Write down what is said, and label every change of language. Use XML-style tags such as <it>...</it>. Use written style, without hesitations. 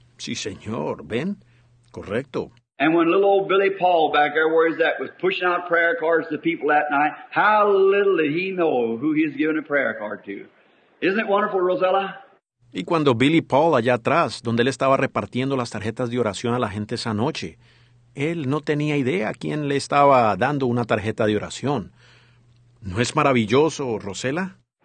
<es>Sí, señor, ¿ven? Correcto.</es> <en>And when little old Billy Paul back there, where is that, was pushing out prayer cards to people that night, how little did he know who he's giving a prayer card to? Isn't it wonderful, Rosella?</en> <es>Y cuando Billy Paul allá atrás, donde él estaba repartiendo las tarjetas de oración a la gente esa noche, él no tenía idea a quién le estaba dando una tarjeta de oración. ¿No es maravilloso, Rosella?</es>